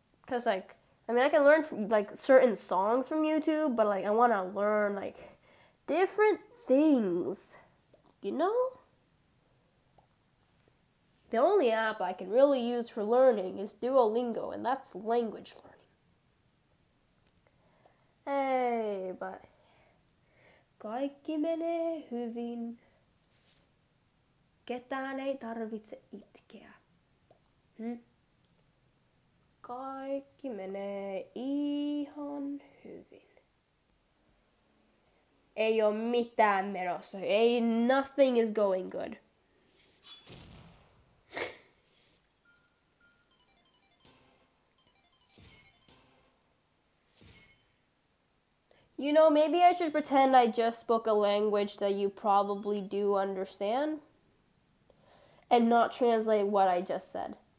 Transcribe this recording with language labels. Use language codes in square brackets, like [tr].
[en] Because like, I mean, I can learn like certain songs from YouTube, but like, I want to learn like different things, you know? The only app I can really use for learning is Duolingo, and that's language learning. Hey, but [fi] kaikki menee hyvin. Ketään ei tarvitse itkeä. Kaikki menee ihan hyvin. Ei oo mitään menossa. [en] Ei, nothing is going good. You know, maybe I should pretend I just spoke a language that you probably do understand and not translate what I just said.